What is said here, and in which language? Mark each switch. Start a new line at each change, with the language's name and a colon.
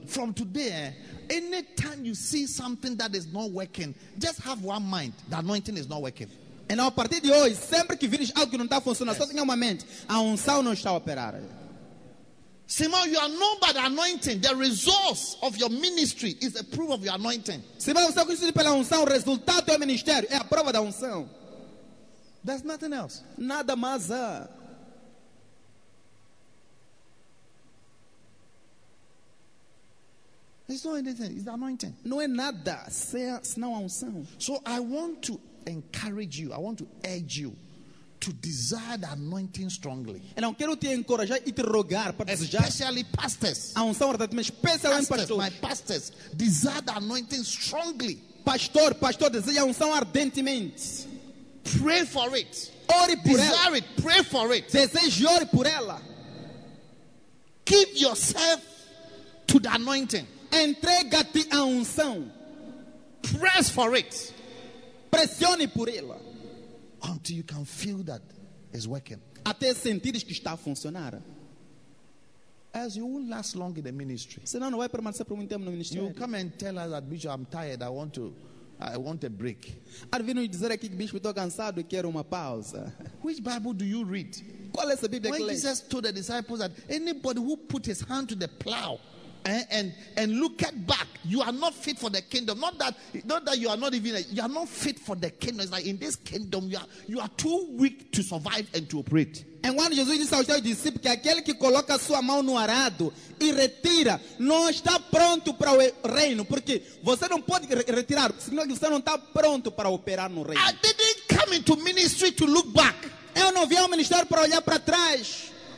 English: Look, from today, anytime you see something that is not working, just have one mind. The anointing is not working.
Portuguese: E a partir de hoje, sempre que vires algo que não está funcionando, só tenha uma mente. A unção não está a operar.
English: Simão, you are known by the anointing. The resource of your ministry is a proof of your anointing.
Portuguese: Simão, você é conhecido pela unção. O resultado do seu ministério é a prova da unção.
English: There's nothing else.
Portuguese: Nada mais.
English: It's not anything. It's anointing.
Portuguese: Não é nada. Senão a unção.
English: So I want to encourage you. I want to urge you to desire the anointing strongly.
Portuguese: Eu não quero te encorajar e te rogar para desejar.
English: Especially pastors.
Portuguese: A unção verdadeiramente especial em pastores.
English: My pastors, desire the anointing strongly.
Portuguese: Pastor, deseja a unção ardentemente.
English: Pray for it.
Portuguese: Ore por
English: desire
Portuguese: ela.
English: It. Pray for it.
Portuguese: Deseje, ore por ela.
English: Give yourself to the anointing.
Portuguese: Entrega-te à unção.
English: Press for it.
Portuguese: Pressione por ela.
English: Until you can feel that it's working.
Portuguese: Até sentires que está a funcionar.
English: As you won't last long in the ministry.
Portuguese: Senão não vai permanecer por muito tempo no ministério.
English: You come and tell us that, Bishop, I'm tired. I want to I want a break.
Portuguese: Ar vino dizer aqui que bicho estou cansado e quero uma pausa.
English: Which Bible do you read?
Portuguese: Qual é essa Bíblia?
English: When Jesus told the disciples that anybody who put his hand to the plow and look at back, you are not fit for the kingdom. Not that you are not even, you are not fit for the kingdom. It's like in this kingdom you are too weak to survive and to operate.
Portuguese: And quando Jesus disse aos seus discípulos que aquele que coloca sua mão no arado e retira não está pronto para o reino, porque você não pode retirar, senão você não está pronto para operar no reino.
English: I didn't come into ministry to look back.
Portuguese: Eu não vim ao ministério para olhar para trás.